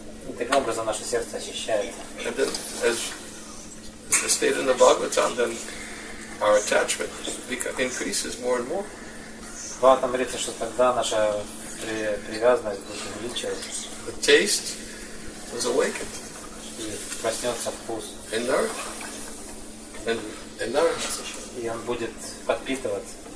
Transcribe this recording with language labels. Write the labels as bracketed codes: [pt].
[ru] И таким образом наше сердце очищается. [en] And then, as the state in the Bhagavatam, then our attachment increases more and more. [ru] Бхагаватам говорится, что тогда наша привязанность будет увеличиваться. [en] The taste was awakened. [ru] И проснется вкус. [en] And nourished. And nourished. [ru] И он будет подпитываться.